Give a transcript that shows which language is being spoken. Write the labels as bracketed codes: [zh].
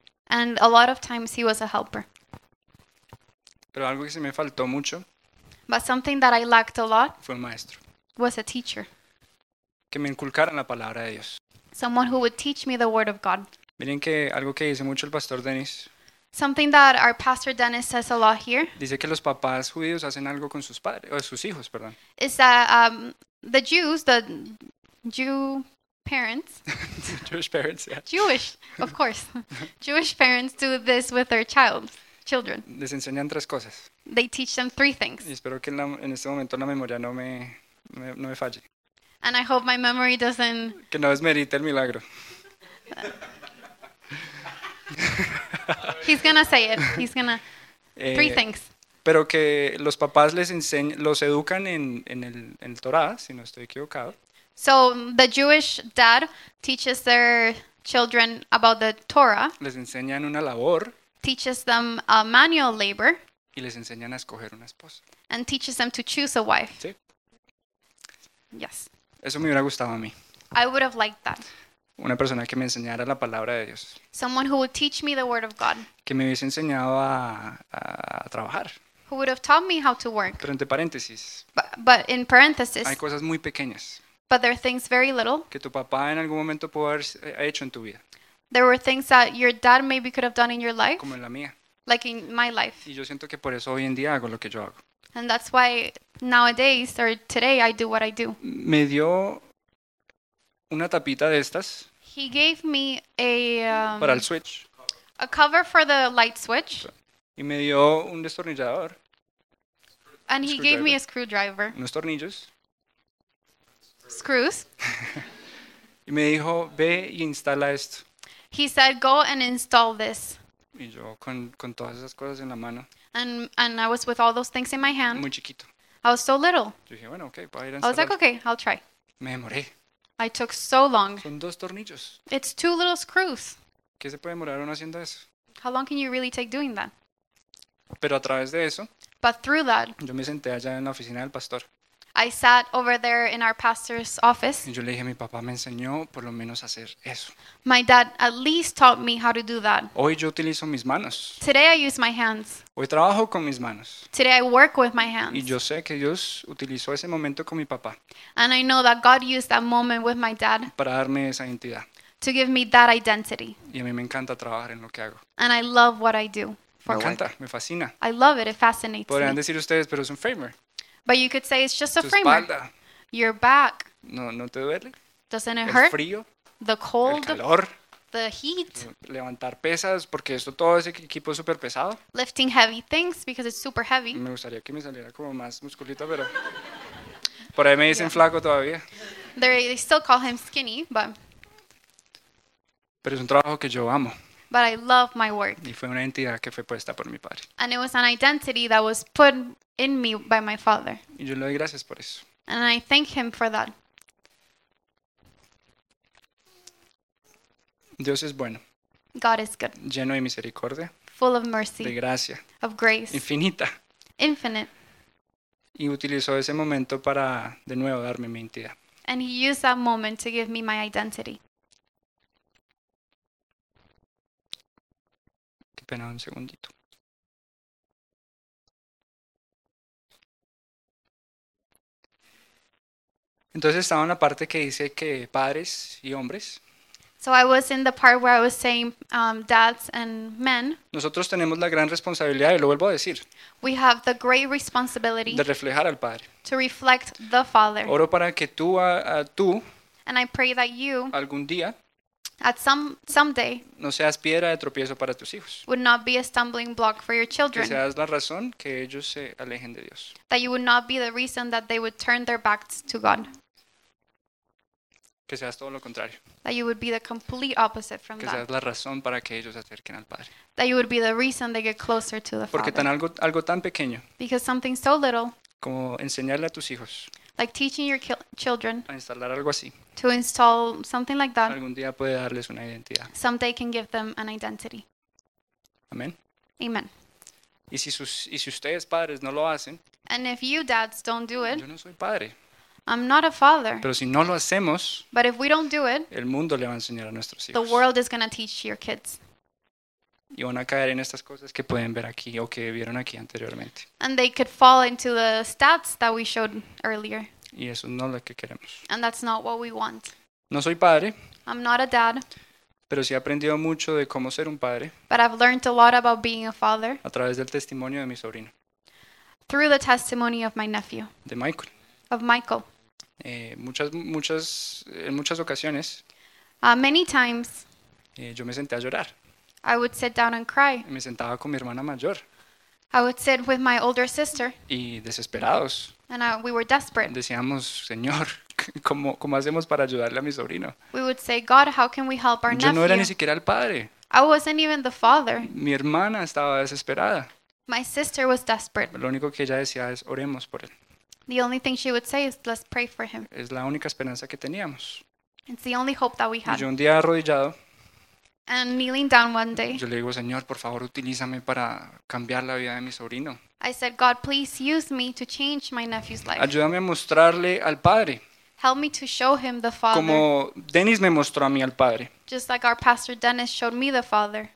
[en] And a lot of times he was a helper. [es] Pero algo que se me faltó mucho. [en] But something that I lacked a lot. [es] Fue un maestro. [en] Was a teacher. [es] Que me inculcaran la palabra de Dios. [en] Someone who would teach me the word of God. [es] Miren que algo que dice mucho el pastor Dennis. [en] Something that our pastor Dennis says a lot here. [es] Dice que los papás judíos hacen algo con sus padres o sus hijos, perdón. [en] Is that The Jews, the Jew parents. Jewish parents, yeah. Jewish, of course. Jewish parents do this with their child, children. [es] Les enseñan tres cosas. [en] They teach them three things. [es] Y espero que en este momento la memoria no me falle. [en] And I hope my memory doesn't... [es] Que no desmerite el milagro. [en] He's gonna say it. He's gonna... three things. [es] Pero que los papás les enseñan, los educan en el Torah, si no estoy equivocado. [en] So the Jewish dad teaches their children about the Torah. [es] Les enseñan una labor. [en] Teaches them a manual labor. [es] Y les enseñan a escoger una esposa. [en] And teaches them to choose a wife. [es] Sí. [en] Yes. [es] Eso me hubiera gustado a mí. [en] I would have liked that. [es] Una persona que me enseñara la palabra de Dios. [en] Someone who would teach me the word of God. [es] Que me hubiese enseñado a trabajar. [en] Who would have taught me how to work. [es] Pero entre paréntesis. [en] But in parentheses. [es] Hay cosas muy pequeñas. [en] But there are things very little. [es] Que tu papá en algún momento pudo haber hecho en tu vida. [en] There were things that your dad maybe could have done in your life. [es] Como en la mía. [en] Like in my life. [es] Y yo siento que por eso hoy en día hago lo que yo hago. [en] And that's why nowadays or today I do what I do. [es] Me dio una tapita de estas. [en] He gave me a [es] para el switch. [en] A cover for the light switch. [es] Y me dio un destornillador. [en] And he gave me a screwdriver. [es] Unos tornillos. [en] Screws. [es] Y me dijo, ve y instala esto. [en] He said, go and install this. [es] Y yo con todas esas cosas en la mano. [en] And I was with all those things in my hand. [es] Muy chiquito. [en] I was so little. [es] Yo dije, bueno, okay, voy a ir a instalar. [en] I was like, okay, I'll try. [es] Me demoré. [en] I took so long. [es] Son dos tornillos. [en] It's two little screws. [es] ¿Qué se puede demorar uno haciendo eso? [en] How long can you really take doing that? [es] Pero a través de eso, [en] but through that, [es] yo me senté allá en la oficina del pastor. [en] I sat over there in our pastor's office. [es] Y yo le dije, mi papá me enseñó por lo menos a hacer eso. [en] My dad at least taught me how to do that. [es] Hoy yo utilizo mis manos. [en] Today I use my hands. [es] Hoy trabajo con mis manos. [en] Today I work with my hands. [es] Y yo sé que Dios utilizó ese momento con mi papá. [en] And I know that God used that moment with my dad. [es] Para darme esa identidad. [en] To give me that identity. [es] Y a mí me encanta trabajar en lo que hago. [en] And I love what I do. [es] Me encanta, me fascina. [en] I love it, it fascinates me. [es] Podrían decir ustedes, pero es un framer. [en] But you could say it's just a [es] tu [en] framer. [es] Espalda. [en] Your back. [es] No, no te duele. [en] Doesn't it [es] el [en] hurt? [es] Frío. [en] The cold. [es] El calor. [en] The heat. [es] Levantar pesas, porque esto todo ese equipo es súper pesado. [en] Lifting heavy things, because it's super heavy. [es] Me gustaría que me saliera como más musculito, pero... Por ahí me dicen yeah. Flaco todavía. [en] They still call him skinny, but... [es] Pero es un trabajo que yo amo. [en] But I love my work. [es] Y fue una identidad que fue puesta por mi padre. [en] And it was an identity that was put in me by my father. [es] Y yo le doy gracias por eso. [en] And I thank him for that. [es] Dios es bueno. [en] God is good. [es] Lleno de misericordia. [en] Full of mercy. [es] De gracia. [en] Of grace. [es] Infinita. [en] Infinite. [es] Y utilizó ese momento para de nuevo darme mi identidad. [en] And he used that moment to give me my identity. [es] Espera un segundito. Entonces estaba en la parte que dice que padres y hombres. [en] So I was in the part where I was saying dads and men. [es] Nosotros tenemos la gran responsabilidad, y lo vuelvo a decir. [en] We have the great responsibility. [es] De reflejar al padre. [en] To reflect the father. [es] Oro para que tú. [en] And I pray that you. [es] Algún día. [en] At someday. [es] No seas piedra de tropiezo para tus hijos. [en] Would not be a stumbling block for your children. [es] Que seas la razón que ellos se alejen de Dios. [en] That you would not be the reason that they would turn their backs to God. [es] Que seas todo lo contrario. [en] That you would be the complete opposite from [es] que [en] that. [es] Que seas la razón para que ellos se acerquen al Padre. [en] That you would be the reason they get closer to the [es] porque [en] Father. [es] Porque algo tan pequeño. [en] Because something so little. [es] Como enseñarle a tus hijos. [en] Like teaching your children [es] a instalar algo así. [en] To install something like that. [es] Algún día puede darles una identidad. [en] Someday can give them an identity. [es] Amen. [en] Amen. [es] Y si ustedes padres no lo hacen. [en] And if you dads don't do it. [es] Yo no soy padre. [en] I'm not a father. [es] Pero si no lo hacemos. [en] But if we don't do it. [es] El mundo le va a enseñar a nuestros hijos. [en] The world is going to teach your kids. [es] Y van a caer en estas cosas que pueden ver aquí o que vieron aquí anteriormente. [en] And they could fall into the stats that we showed earlier. [es] Y eso no es lo que queremos. [en] And that's not what we want. [es] No soy padre. [en] I'm not a dad. [es] Pero sí he aprendido mucho de cómo ser un padre. [en] But I've learned a lot about being a father. [es] A través del testimonio de mi sobrino. [en] Through the testimony of my nephew. [es] De Michael. [en] Of Michael. [es] Muchas ocasiones [en] Many times [es] yo me senté a llorar. [en] I would sit down and cry. [es] Me sentaba con mi hermana mayor. [en] I would sit with my older sister. [es] Y desesperados. [en] And we were desperate. [es] Decíamos, Señor, ¿cómo hacemos para ayudarle a mi sobrino? [en] We would say, God, how can we help our [es] Yo no era [en] nephew? [es] ni siquiera el padre. [en] I wasn't even the father. [es] Mi hermana estaba desesperada. [en] My sister was desperate. [es] Lo único que ella decía es, oremos por él. [en] The only thing she would say is, let's pray for him. [es] Es la única esperanza que teníamos. [en] It's the only hope that we had. [es] Y yo un día arrodillado, [en] And kneeling down one day, [es] yo le digo, Señor, por favor, utilízame para cambiar la vida de mi sobrino. [en] I said, God, please use me to change my nephew's life. [es] Ayúdame a mostrarle al padre. [en] Help me to show him the father. [es] Como Dennis me mostró a mí al padre. [en] Just like our pastor Dennis showed me the father.